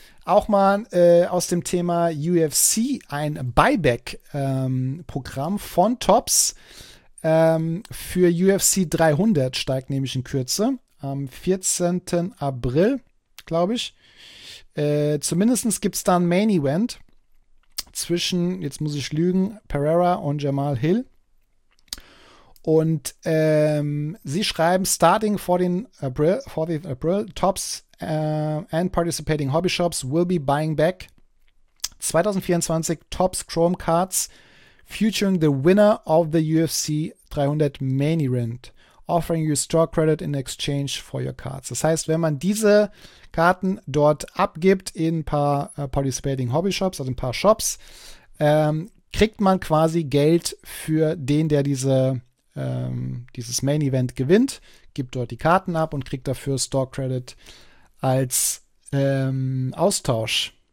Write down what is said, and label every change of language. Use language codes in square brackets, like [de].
[de] Auch mal aus dem Thema UFC ein Buyback-Programm von Tops für UFC 300 steigt nämlich in Kürze. Am 14. April, glaube ich. Zumindest gibt es da ein Main Event zwischen, jetzt muss ich lügen, Pereira und Jamal Hill. [en] Und sie schreiben, starting 14th April, Tops and participating Hobby Shops will be buying back 2024 Tops Chrome Cards featuring the winner of the UFC 300 Main Event, offering you store credit in exchange for your cards. [de] Das heißt, wenn man diese Karten dort abgibt in ein paar participating Hobby Shops, also ein paar Shops, kriegt man quasi Geld für den, der dieses Main Event gewinnt, gibt dort die Karten ab und kriegt dafür Store Credit als Austausch.